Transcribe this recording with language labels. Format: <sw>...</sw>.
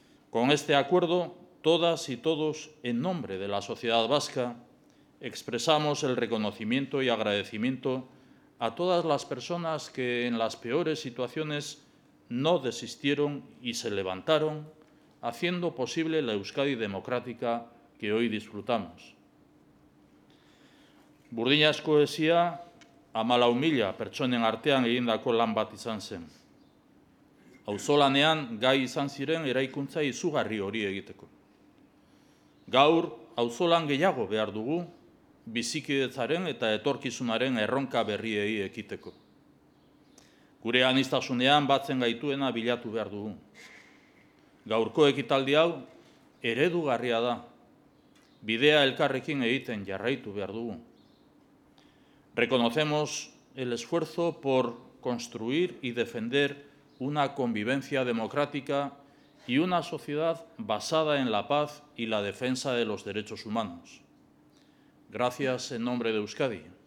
<es>Con este acuerdo, todas y todos, en nombre de la sociedad vasca, expresamos el reconocimiento y agradecimiento a todas las personas que en las peores situaciones no desistieron y se levantaron, haciendo posible la Euskadi democrática que hoy disfrutamos.</es> <eu>Burdinazko hesia, 14.000 pertsonen artean egindako lan bat izan zen. Auzolanean gai izan ziren eraikuntza izugarri hori egiteko. Gaur, auzolan gehiago behar dugu, bizikidetzaren eta etorkizunaren erronka berriei ekiteko. Gure aniztasunean batzen gaituena bilatu behar dugu. Gaurko ekitaldi hau, eredugarria da. Bidea elkarrekin egiten jarraitu behar dugu.</eu> <es>Reconocemos el esfuerzo por construir y defender una convivencia democrática y una sociedad basada en la paz y la defensa de los derechos humanos. Gracias en nombre de Euskadi.</es>